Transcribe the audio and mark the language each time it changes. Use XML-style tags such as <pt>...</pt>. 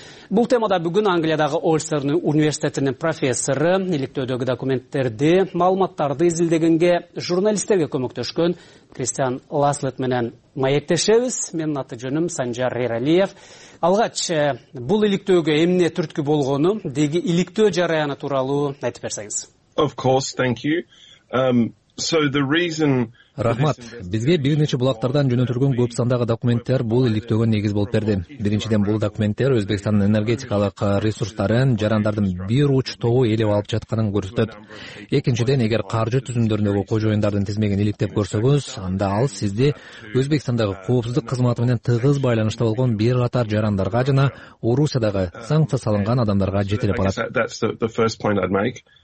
<ky>Бул темада бүгүн Англиядагы Ольстер университетинин профессору иликтөөдөгү документтерди, маалыматтарды изилдегенге журналисттерге көмөктөшкөн Кристиан Ласлет менен маектешебиз. Менин аты жөнүм Санжар Эралиев. Алгач бул иликтөөгө эмне түрткү болгону, деги иликтөө жараяны тууралуу айтып берсеңиз.</ky> <en>Of course, thank you. So the reason</en> <ky>Рахмат. Бизге бир нече булактардан жөнөтүлгөн көп сандагы документтер бул иликтөөгө негиз болуп берди. Биринчиден, бул документтер Өзбекстандын энергетикалык ресурстарын жарандардын бир уч тобу ээлеп алып жатканын көрсөтөт. Экинчиден, эгер каржы түзүмдөрүндөгү кожоюндардын тизмегин иликтеп көрсөңүз, анда ал сизди Өзбекстандагы коопсуздук кызматы менен тыгыз байланышта болгон бир катар жарандарга жана Орусиядагы санкция салынган адамдарга жетелеп алат.</ky>